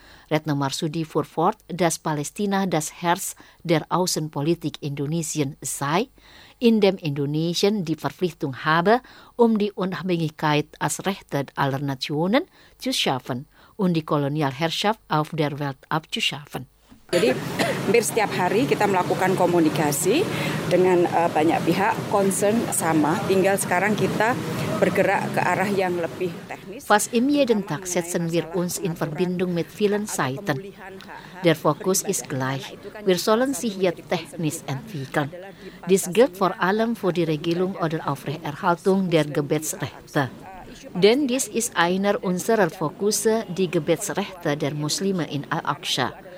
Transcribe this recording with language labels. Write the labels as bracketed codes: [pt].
[de] Retno Marsudi fuhr fort, dass Palästina das Herz der Außenpolitik Indonesien sei, indem Indonesien die Verpflichtung habe, um die Unabhängigkeit als Rechte aller Nationen zu schaffen und die Kolonialherrschaft auf der Welt abzuschaffen. [id] Jadi hampir setiap hari kita melakukan komunikasi dengan banyak pihak, concern sama, tinggal sekarang kita bergerak ke arah yang lebih teknis. [de] Fast im jeden Tag setzen wir uns in Verbindung mit vielen Seiten. Der Fokus ist gleich. Wir sollen sich hier technisch entwickeln. Dies gilt vor allem für die Regelung oder Aufrechterhaltung der Gebetsrechte. Denn dies ist einer unserer Fokusse, die Gebetsrechte der Muslime in Al-Aqsa.